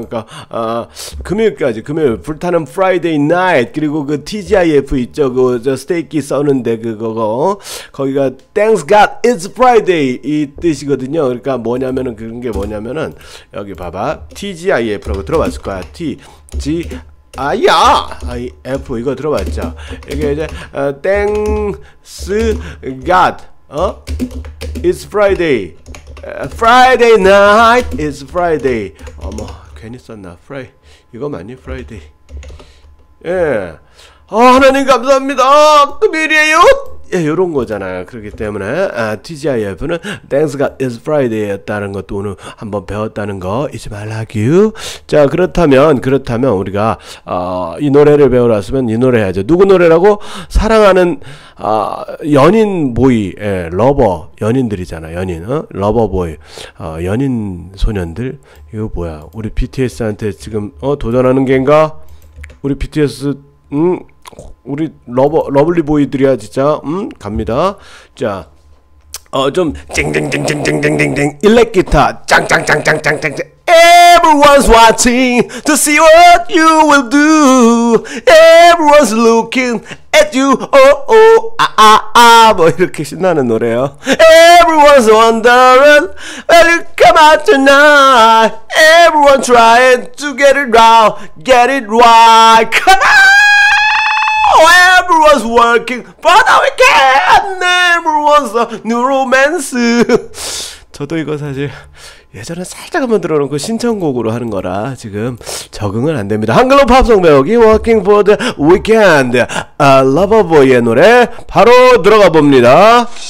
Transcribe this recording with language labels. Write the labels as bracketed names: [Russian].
[Korean] 그러니까 금요일까지 금요일 불타는 프라이데이 나잇 그리고 그 TGIF 있죠. 그 저 스테이키 써는데 그거 거기가 [English] Thanks God It's Friday [Korean] 이 뜻이거든요. 그러니까 뭐냐면은 그런 게 뭐냐면은 여기 봐봐 TGIF라고 들어봤을 거야. TGIF 이거 들어봤죠. [English] 이게 이제 Thanks God It's Friday. Friday night is Friday. [Korean] 어머, 괜히 썼나? Friday. 이거 맞니? Friday. 예. 하나님 감사합니다. 금일이에요. 예, 요런 거잖아요. 그렇기 때문에, TGIF는 [English] Thanks God is Friday [Korean] 였다는 것도 오늘 한번 배웠다는 거 잊지 말라구요. 자, 그렇다면 우리가, 이 노래를 배우러 왔으면 이 노래 해야죠. 누구 노래라고? 사랑하는, 연인 보이, 예, 러버, 연인들이잖아, 연인, 어? 러버 보이, 연인 소년들. 이거 뭐야? 우리 BTS한테 지금, 도전하는 게인가? 우리 BTS, 우리 러블리 보이들이야 진짜. 갑니다. 자. 좀 징징징징징징징징 일렉 기타 짱짱짱짱짱짱짱 [English] Everyone's watching to see what you will do. Everyone's looking at you. Oh oh. 아아아 뭐 이렇게 신나는 노래요. Everyone's wondering when you come out tonight. Everyone trying to get it right. Get it right. Come on. Everyone's working for the weekend. Everyone's a new romance. [Korean] 저도 이거 사실 예전에 살짝 한번 들어놓고 신청곡으로 하는 거라 지금 적응은 안 됩니다. 한글로 팝송 배우기 [English] Working for the weekend. [Korean] A lover boy의 노래 바로 들어가 봅니다.